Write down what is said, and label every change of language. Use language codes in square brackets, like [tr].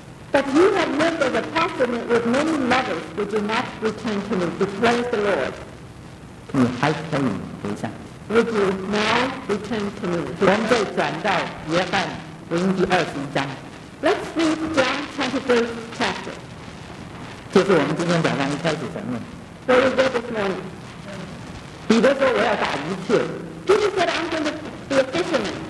[en] But you have lived as a prostitute with many lovers would you not return to me declares the Lord [zh] 你还可以归乡 [en] Would you now return to me [zh] 我们再转到约翰福音第二十一章 [en] Let's read John 23rd chapter [zh] 就是我们今天早上一开始讲的 [en] What is that this morning [zh] 彼得说我要打鱼去 [en] Peter said I'm going to be a fisherman